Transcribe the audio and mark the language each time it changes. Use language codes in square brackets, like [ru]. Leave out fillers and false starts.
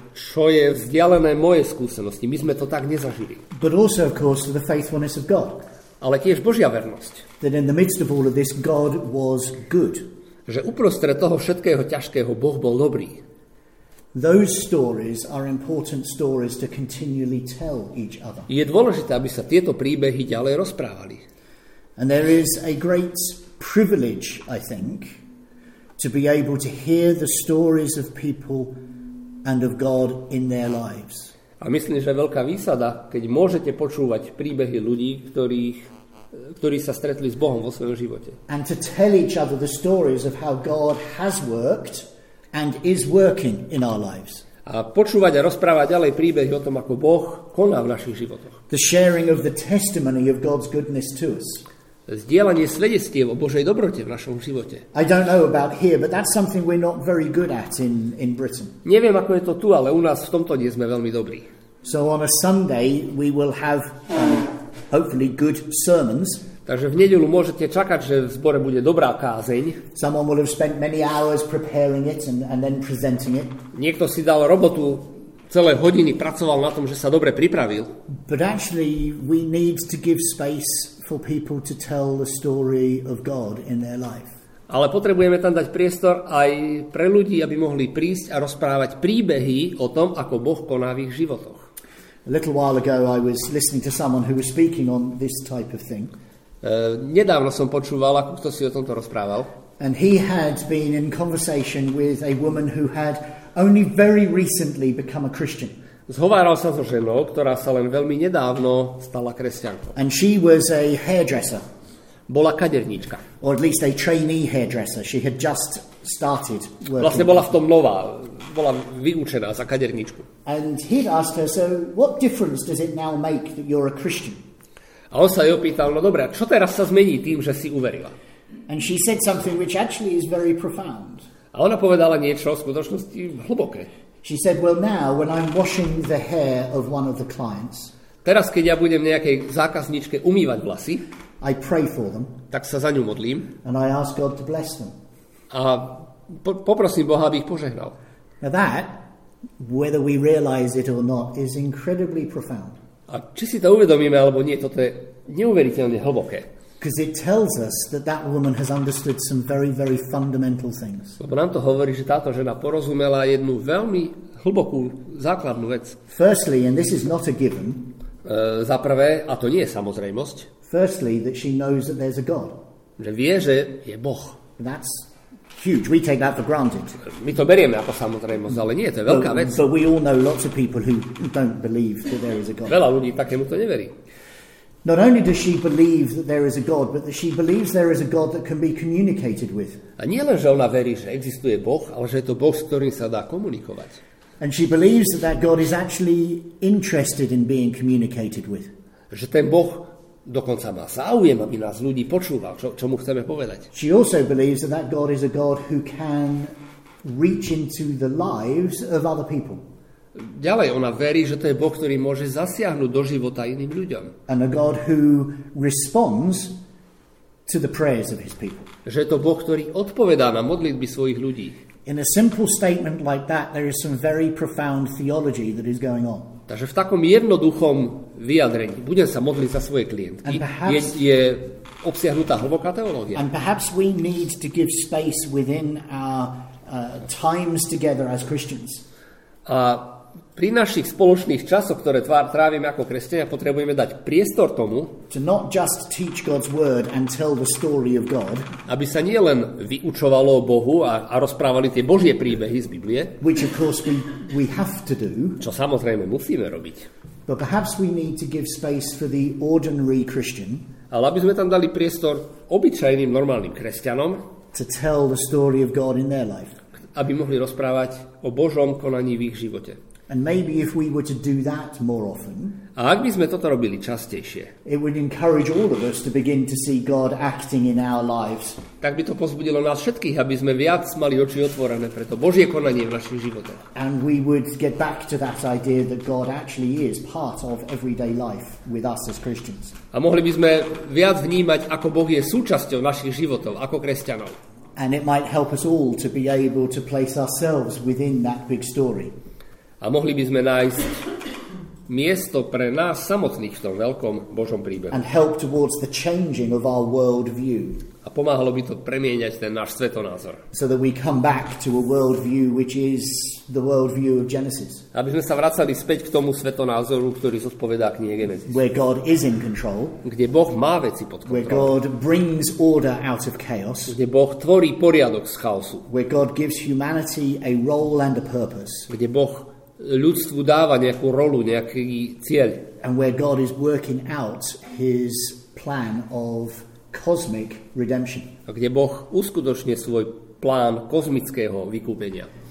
[sk] Čo je vzdialené moje skúsenosti. My sme to tak nezažili. [en] But also of course the faithfulness of God. [sk] Ale tiež Božia vernosť. [en] That in the midst of all of this God was good. [sk] Že uprostred toho všetkého ťažkého Boh bol dobrý. [en] Those stories are important stories to continually tell each other. [sk] Je dôležité, aby sa tieto príbehy ďalej rozprávali. [en] And there is a great privilege, I think, to be able to hear the stories of people and of God in their lives. [sk] A myslím, že veľká výsada, keď môžete počúvať príbehy ľudí, ktorí sa stretli s Bohom vo svojom živote. [en] And to tell each other the stories of how God has worked and is working in our lives. [sk] A počúvať a rozprávať ďalej príbehy o tom, ako Boh koná v našich životoch. [en] The sharing of the testimony of God's goodness to us. [sk] Zdieľanie svedectiev o Božej dobrote v našom živote. [en] I don't know about here, but that's something we're not very good at in Britain. [sk] Neviem, ako je to tu, ale u nás v tomto nie sme veľmi dobrí. [en] So on a Sunday we will have hopefully good sermons. [sk] Takže v nedeľu môžete čakať, že v zbore bude dobrá kázeň. [en] Someone will have spent many hours preparing it and then presenting it. [sk] Niekto si dal robotu, celé hodiny pracoval na tom, že sa dobre pripravil. [en] But actually we need to give space for people to tell the story of God in their life. [sk] Ale potrebujeme tam dať priestor aj pre ľudí, aby mohli prísť a rozprávať príbehy o tom, ako Boh koná v ich životoch. [en] A little while ago I was listening to someone who was speaking on this type of thing. [sk] Nedávno som počúval, ako kto si o tomto rozprával. [en] And he had been in conversation with a woman who had only very recently become a Christian. [sk] Zhováral sa so ženou, ktorá sa len veľmi nedávno stala kresťankou. [en] And she was a hairdresser. [sk] Bola kaderníčka. [en] Or at least a trainee hairdresser. She had just started working. [sk] Vlastne bola v tom nová. Bola vyučená za kaderníčku. [en] And he asked her, so what difference does it now make that you're a Christian? [sk] A on sa jej opýtal, no dobré, čo teraz sa zmení tým, že si uverila? [en] And she said something which actually is very profound. [sk] A ona povedala niečo v skutočnosti hlboké. [en] She said, well now when I'm washing the hair of one of the clients. [sk] Teraz keď ja budem nejakej zákazničke umývať vlasy. [en] I pray for them. [sk] Tak sa za ňu modlím. [en] And I ask God to bless them. [sk] A poprosím Boha, aby ich požehnal. [en] Now that, whether we realize it or not, is incredibly profound. [sk] A či si to uvedomíme alebo nie, toto je neuveriteľne hlboké. [en] Because it tells us that that woman has understood some very, very fundamental things. [sk] Lebo nám to hovorí, že táto žena porozumela jednu veľmi hlbokú základnú vec. [en] Firstly, and this is not a given. [sk] Za prvé, a to nie je samozrejmosť. [en] Firstly, that she knows that there's a God. [sk] Že vie, že je Boh. [en] That's huge. We take that for granted. [sk] My to berieme ako samozrejmosť, ale nie, to je veľká vec. [en] But we all know lots of people who don't believe that there is a God. [sk] Veľa ľudí takému to neverí. [en] Not only does she believe that there is a God, but that she believes there is a God that can be communicated with. [sk] A nie len, že ona verí, že existuje Boh, ale že je to Boh, s ktorým sa dá komunikovať. [en] And she believes that God is actually interested in being communicated with. [sk] Že ten Boh dokonca má záujem, aby nás ľudí počúval, čo mu chceme povedať. [en] She also believes that that God is a God who can reach into the lives of other people. [sk] Ďalej ona verí, že to je Boh, ktorý môže zasiahnuť do života iným ľuďom. [en] And a God who responds to the prayers of his people. [sk] Že je to Boh, ktorý odpovedá na modlitby svojich ľudí. [en] In a simple statement like that, there is some very profound theology that is going on. [sk] Takže v takom jednoduchom vyjadrení, budem sa modliť za svoje klientky, [en] perhaps, [sk] je obsiahnutá hlboká teológia. [en] And perhaps we need to give space within our times together as Christians. [sk] A pri našich spoločných časoch, ktoré trávime ako kresťania, potrebujeme dať priestor tomu, [en] to not just teach God's word and tell the story of God, [sk] aby sa nielen vyučovalo o Bohu a rozprávali tie Božie príbehy z Biblie, [en] which of course we have to do, [sk] čo samozrejme musíme robiť, [en] but perhaps we need to give space for the ordinary Christian, [sk] ale aby sme tam dali priestor obyčajným normálnym kresťanom, [en] to tell the story of God in their life, [sk] aby mohli rozprávať o Božom konaní v ich živote. [en] And maybe if we were to do that more often, [sk] a ak by sme toto robili častejšie, [en] it would encourage all of us to begin to see God acting in our lives. [sk] Tak by to pozbudilo nás všetkých, aby sme viac mali oči otvorené pre to Božie konanie v našich životoch. [en] And we would get back to that idea that God actually is part of everyday life with us as Christians. [sk] A mohli by sme viac vnímať, ako Boh je súčasťou našich životov ako kresťanov. [en] And it might help us all to be able to place ourselves within that big story. [sk] A mohli by sme nájsť miesto pre nás samotných v tom veľkom Božom príbehu. [en] And help towards the changing of our world view. [sk] A pomáhalo by to premieňať ten náš svetonázor. [en] So that we come back to a world view which is the world view of Genesis. [sk] Aby sme sa vracali späť k tomu svetonázoru, ktorý zodpovedá knihe Genesis. [en] Where God is in control. [sk] Kde Boh má veci pod kontrolou. [en] Where God brings order out of chaos. [sk] Kde Boh tvorí poriadok z chaosu. [en] Where God gives humanity a role and a purpose. [sk] Kde Boh ľudstvu dáva nejakú rolu, nejaký cieľ. [en] And where God is working out his plan of cosmic redemption. [sk] A kde Boh uskutočne svoj plán kozmického vykúpenia.